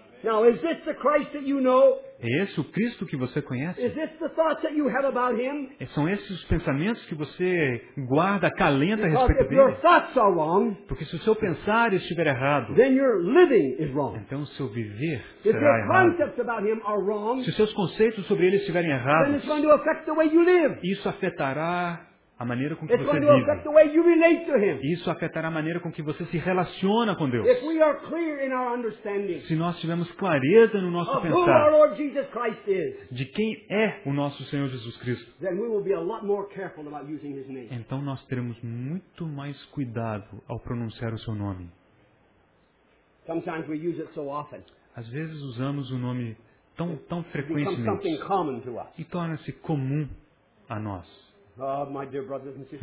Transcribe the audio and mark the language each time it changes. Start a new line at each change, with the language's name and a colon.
English: Now, is this the Christ that you know?
Portuguese: É esse o Cristo que você conhece?
English: Is this the thoughts that you have about him?
Portuguese: São esses os pensamentos que você guarda, acalenta a respeito dele?
English: Because if your thoughts are wrong,
Portuguese: porque se o seu pensar estiver errado,
English: then your living is wrong.
Portuguese: Então o seu viver
English: if
Portuguese: será errado.
English: Concepts about him are wrong,
Portuguese: se os seus conceitos sobre ele estiverem errados,
English: then it's going to affect the way you live.
Portuguese: Isso afetará a maneira com que
English: it's
Portuguese: você
English: going
Portuguese: vive.
English: To affect the way you relate to him.
Portuguese: Isso afetará a maneira com que você se relaciona com Deus.
English: If we are clear in our understanding,
Portuguese: se nós tivermos clareza no nosso pensar
English: who our Lord Jesus Christ is,
Portuguese: de quem é o nosso Senhor Jesus Cristo,
English: then we will be a lot more careful about using his name.
Portuguese: Então nós teremos muito mais cuidado ao pronunciar o seu nome.
English: Sometimes we use it so often.
Portuguese: Às vezes usamos o nome tão frequentemente.
English: It becomes something common to us.
Portuguese: E torna-se comum a nós.
English: My dear brothers and sisters,